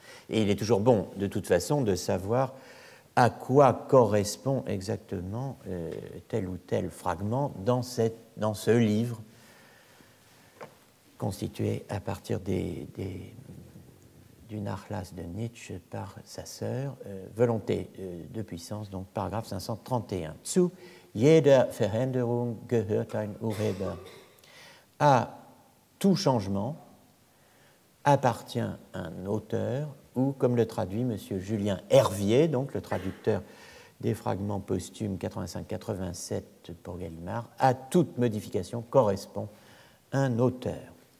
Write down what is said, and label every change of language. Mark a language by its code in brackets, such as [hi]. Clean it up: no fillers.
[fr] Et il est toujours bon, de toute façon, de savoir à quoi correspond exactement tel ou tel fragment dans ce livre constitué à partir du Nachlass de Nietzsche par sa sœur, Volonté de puissance, donc paragraphe 531. [de] Zu jeder Veränderung gehört ein Urheber. [fr] À tout changement appartient un auteur, ou comme le traduit M. Julien Hervier, donc le traducteur des fragments posthumes 85-87 pour Gallimard, à toute modification correspond un auteur.